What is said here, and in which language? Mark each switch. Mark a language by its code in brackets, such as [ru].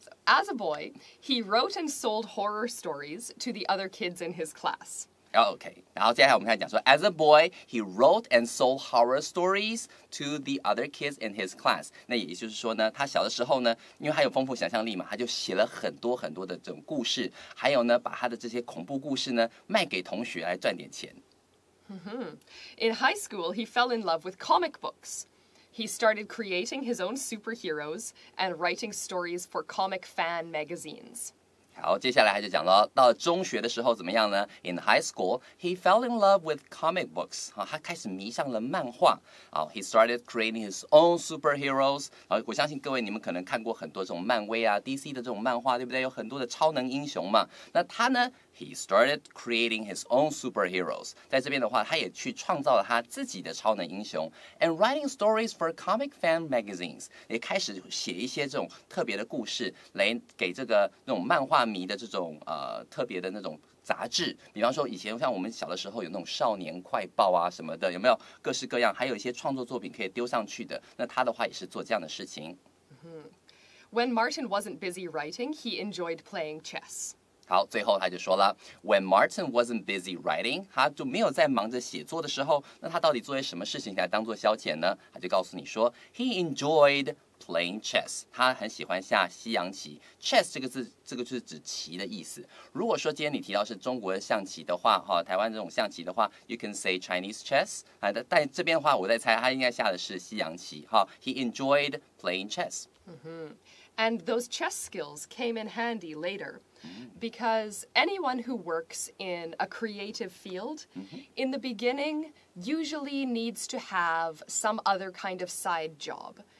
[en] As a boy, he wrote and sold horror stories to the other kids in his class. Okay. [zh] 然后接下来我们开始讲说 [en] ,As a boy, he wrote and sold horror stories to the other kids in his class. [zh] 那也就是说呢，他小的时候呢，因为他有丰富想象力嘛，他就写了很多很多的这种故事，还有呢，把他的这些恐怖故事呢，卖给同学来赚点钱。 Mm-hmm. [en] In high school, he fell in love with comic books. He started creating his own superheroes and writing stories for comic fan magazines. [zh] 好，接下来他就讲了，到了中学的时候怎么样呢 [en] ？In high school, he fell in love with comic books. [zh] 他开始迷上了漫画。 [en] He started creating his own superheroes. [zh] 我相信各位你们可能看过很多这种漫威啊 ，DC 的这种漫画，对不对？有很多的超能英雄嘛。那他呢 ？ [en] He started creating his own superheroes. [zh] 在这边的话，他也去创造了他自己的超能英雄 ， [en] and writing stories for comic fan magazines. [zh] 也开始写一些这种特别的故事，来给这个那种漫画迷的这种特别的那种。杂志，比方说以前像我们小的时候有那种少年快报啊什么的，有没有各式各样，还有一些创作作品可以丢上去的，那他的话也是做这样的事情。 [en] When Martin wasn't busy writing, he enjoyed playing chess. [zh] 好，最后他就说了 , [en] When Martin wasn't busy writing, [zh] 他就没有在忙着写作的时候，那他到底做些什么事情来当做消遣呢？他就告诉你说 , [en] He enjoyed playing chess, [zh] 他很喜欢下西洋棋。 Chess 这个字，这个就是指棋的意思。如果说今天你提到是中国的象棋的话，台湾这种象棋的话 ， [en] you can say Chinese chess。 [zh] 但这边的话，我在猜他应该下的是西洋棋。 [en] He enjoyed playing chess. And those chess skills came in handy later, because anyone who works in a creative field, in the beginning, usually needs to have some other kind of side job.